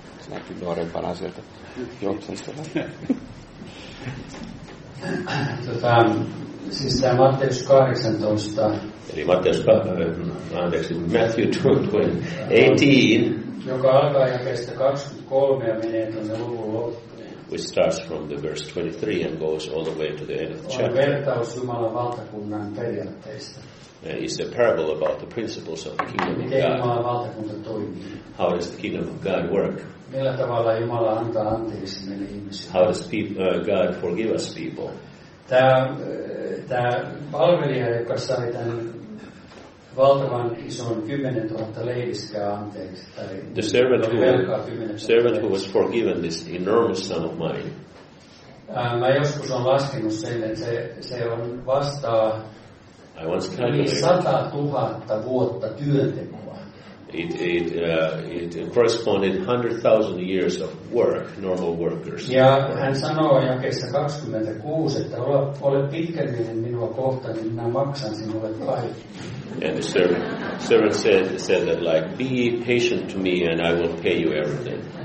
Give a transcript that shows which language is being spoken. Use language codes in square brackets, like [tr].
[fi] Näkyy nuorempana sieltä juoksesta. Siis tämä Matteus 18. Eli Matteus, anteeksi, Matthew 18. Joka alkaa jakeesta 23 ja menee tuonne luvun loppuun. [en] which starts from the verse 23 and goes all the way to the end of the chapter. [fi] Vertaus Jumalan valtakunnan periaatteista. [en] It's a parable about the principles of the kingdom [fi] miten [en] of God. [fi] Jumalan valtakunta toimii? [en] How does the kingdom of God work? [fi] Millä tavalla Jumala antaa anteeksi meille ihmisille? [en] How does God forgive us people? [fi] Tämä palvelija, joka sai tämän valtavan ison 10,000 leiviskää anteeksi. [en] The servant who was forgiven this enormous sum of money. [fi] Mä joskus olen laskenut sen, että se on vastaa [en] I once calculated [fi] 100,000 vuotta työntekoa. [en] It corresponded 100,000 years of work, normal workers. [fi] Ja hän sanoo jakeessa 26, että ole pitkämielinen minua kohtaan, niin minä maksan sinulle kaikki. [en] And the servant said that, like, be patient to me and I will pay you everything.